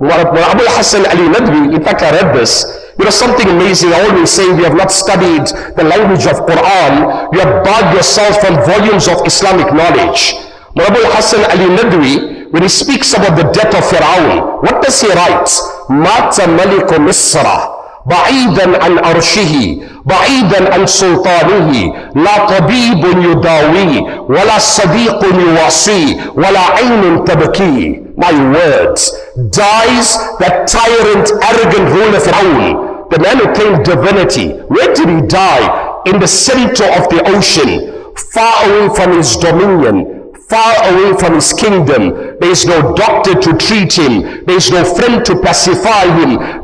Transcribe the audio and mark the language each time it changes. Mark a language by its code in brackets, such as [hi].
[en] Well, Abu Hassan Ali Nadwi, in fact, I read this. You know, something amazing. I always say we have not studied the language of Quran. You have barred yourself from volumes of Islamic knowledge. Well, Abu Hassan Ali Nadwi, when he speaks about the death of Fir'aun, what does he write? [ar] Mata maliku Misra. بعيداً عن أرشه بعيداً عن سلطانه لا طبيب يداوي ولا صديق يواسي ولا عين تبكي. [en] My words, dies that tyrant, arrogant ruler Fir'aun, the man who claimed divinity. Where did he die? In the center of the ocean, far away from his dominion, far away from his kingdom. There is no doctor to treat him. There is no friend to pacify him.